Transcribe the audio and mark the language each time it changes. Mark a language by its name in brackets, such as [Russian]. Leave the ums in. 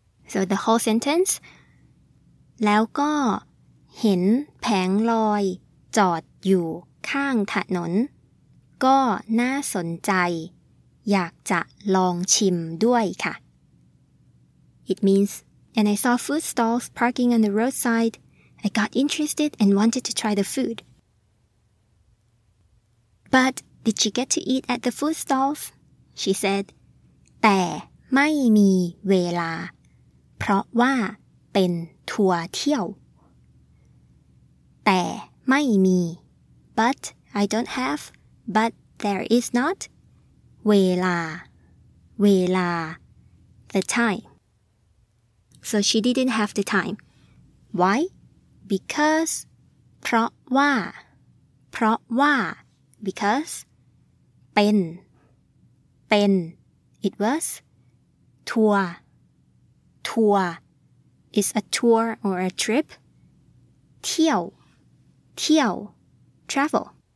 [English] so the whole sentence [Thai] แล้วก็เห็นแผงลอย จอดอยู่ข้างถนน ก็น่าสนใจ อยากจะลองชิมด้วยค่ะ [English] it means and I saw food stalls parking on the roadside I got interested and wanted to try the food. But did she get to eat at the food stalls? She said, [Thai] แต่ไม่มีเวลา เพราะว่า เป็นทัวร์เที่ยว แต่ไม่มี [English] but I don't have but there is not [Thai] เวลา เวลา [English] the time so she didn't have the time why because [Thai] เพราะว่า เพราะว่า [English] because [Thai] เป็น เป็น [English] it was [Thai] ทัวร์ทัวร์ [English] is a tour or a trip [Thai] เที่ยว เที่ยว [English] travel